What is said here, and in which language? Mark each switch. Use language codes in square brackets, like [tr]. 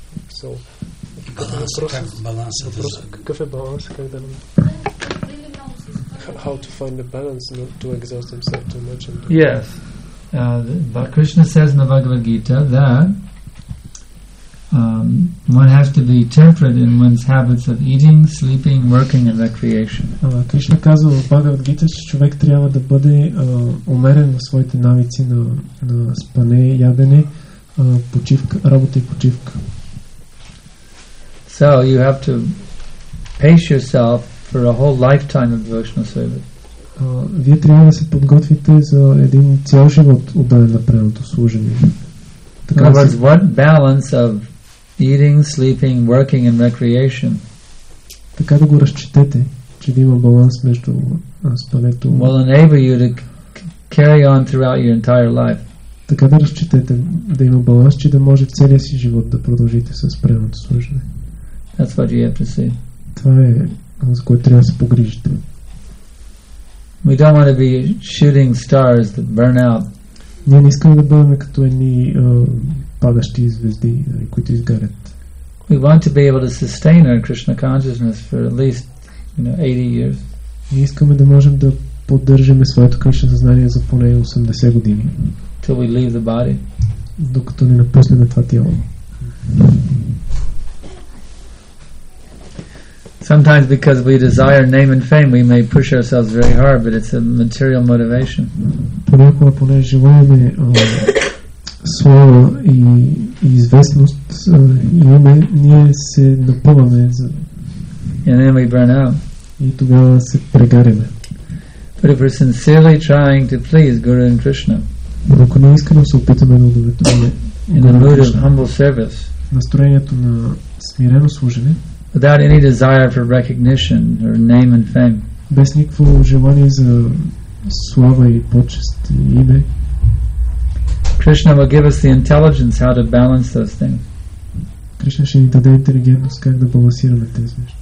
[en] So, how to find the balance, not to exhaust themselves too much? And yes. But Krishna says in the Bhagavad Gita that one has to be temperate in one's habits of eating, sleeping, working and recreation. [bg] Кришна казва в Бхагавад Гита, че човек трябва да бъде умерен в своите навици на спане, ядене, почивка, работа и почивка. [en] So you have to pace yourself for a whole lifetime of devotional service. [bg] Вие трябва да се подготвите за един цял живот отдаден на преданото служение. Така, [en] what balance of eating, sleeping, working and recreation. [bg] Така да го разчетете, че да има баланс между спането. [en] Will enable you to carry on throughout your entire life. [bg] Така да разчетете, да има баланс, че да може целия си живот да продължите с преданото служене. [en] That's what you have to see. [bg] Това е за което трябва да се погрижите. [en] We don't want to be shooting stars that burn out. [bg] Ние не искаме да бъдем като едни падащи звезди, които изгарят. [en] We want to be able to sustain our Krishna consciousness for at least, you know, 80 years. [bg] Ние искаме да можем да поддържаме своето Кришна съзнание за поне 80 години. [en] Till we leave the body. [bg] Докато не напуснем това тяло. [en] Sometimes because we desire name and fame, we may push ourselves very hard, but it's a material motivation. [bg] Понякога, понеже желаеме слава и известност, ние се напъваме. [en] And then we burn out. [bg] И тогава се прегаряме. [en] But if we're sincerely trying to please Guru and Krishna, [bg] ако не искаме се опитаме да удовлетворим [en] in a mood of humble service, [bg] настроението на смирено служене, [en] without any desire for recognition or name and fame, [bg] без никакво желание за слава и почест и име, [en] Krishna will give us the intelligence how to balance those things. [bg] Krishna ще ни даде интелигентност как да балансираме тези неща.